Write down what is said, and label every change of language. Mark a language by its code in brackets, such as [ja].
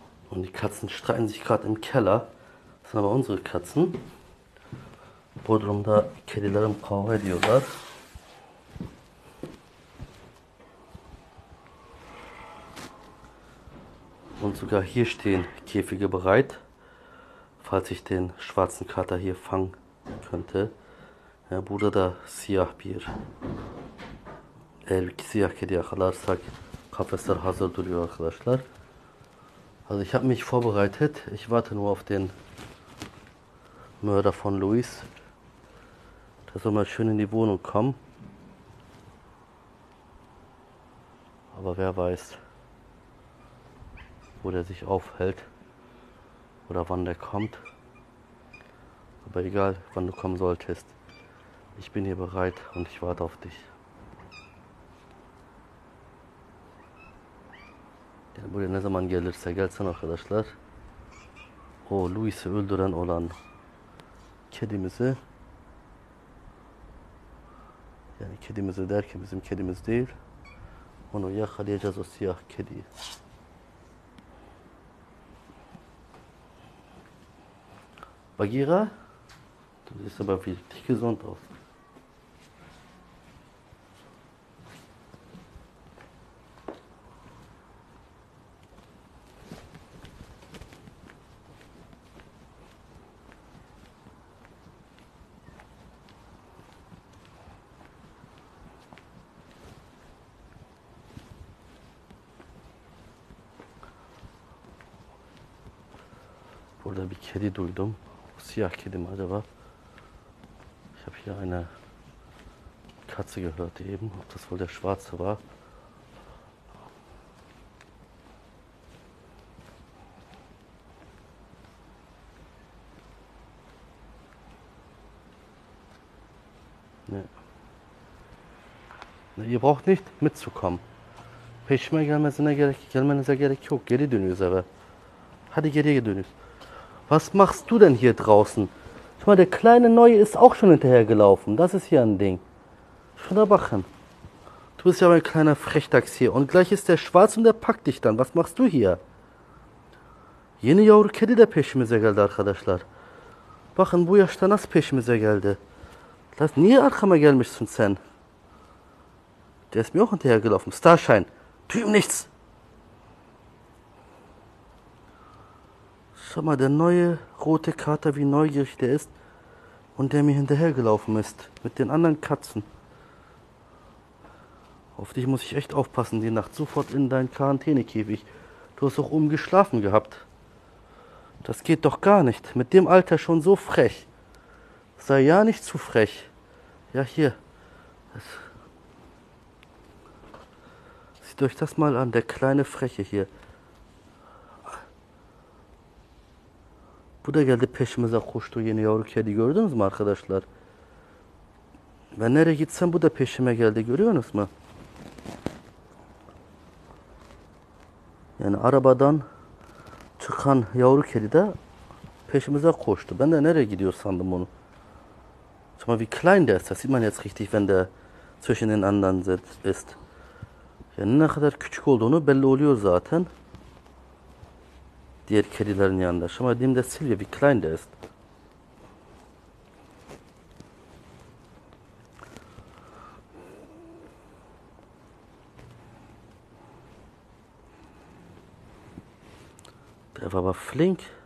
[de] Und die Katzen streiten sich gerade im Keller. Das sind aber unsere Katzen. [tr] Bodrum'da kedilerim kavga ediyorlar. [de] Und sogar hier stehen Käfige bereit, falls ich den schwarzen Kater hier fangen könnte. Ja, Bruder [tr] da siyah bir. Eğer siyah kedi yakalarsak kafesler hazır duruyor arkadaşlar. [de] Also ich habe mich vorbereitet. Ich warte nur auf den Mörder von Luis. Der soll mal schön in die Wohnung kommen. Aber wer weiß, wo der sich aufhält oder wann der kommt. Aber egal, wann du kommen solltest, ich bin hier bereit und ich warte auf dich. [tr] Yani buraya ne zaman gelirse gelsin arkadaşlar. O Luis'i öldüren olan kedimizi, yani kedimizi derken bizim kedimiz değil, onu yakalayacağız, o siyah kediyi. [de] Bagheera, du siehst aber richtig gesund aus. [tr] Burada bir kedi duydum. Siyah kedi mi acaba? [de] Ich habe hier eine Katze gehört eben, ob das wohl der Schwarze war. Ihr braucht nicht mitzukommen. [tr] Peşime gelmenize gerek yok. Geri dönüyoruz eve. Hadi geriye dönüyoruz. [de] Was machst du denn hier draußen? Schau mal, der kleine Neue ist auch schon hinterhergelaufen. Das ist hier ein Ding. Schon erwachen. Du bist ja mein kleiner Frechdachs hier. Und gleich ist der schwarz und der packt dich dann. Was machst du hier? Yeni yavru kedi de peşimize geldi arkadaşlar. Bakın bu yaşta nasıl peşimize geldi. Lass, niye arkama gelmişsin sen? Der ist mir auch hinterhergelaufen. Starschein. Tu ihm nichts. Schau mal, der neue rote Kater, wie neugierig der ist und der mir hinterhergelaufen ist mit den anderen Katzen. Auf dich muss ich echt aufpassen, die Nacht sofort in deinen Quarantänekäfig. Du hast auch oben geschlafen gehabt. Das geht doch gar nicht. Mit dem Alter schon so frech. Sei ja nicht zu frech. Ja, hier. Sieht euch das mal an, der kleine Freche hier. [tr] Bu da geldi peşimize koştu, yeni yavru kedi gördünüz mü arkadaşlar? Ben nereye gitsem bu da peşime geldi, görüyor musunuz? Yani arabadan çıkan yavru kedi de peşimize koştu. Ben de nereye gidiyor sandım onu. [de] Schau mal, wie klein der ist. Das sieht man jetzt richtig, wenn der zwischen den anderen ist. [tr] Yani ne kadar küçük olduğunu belli oluyor zaten. Diğer kedilerin yanında. [de] Schau mal, dem der Silvia, wie klein der ist. Der war aber flink.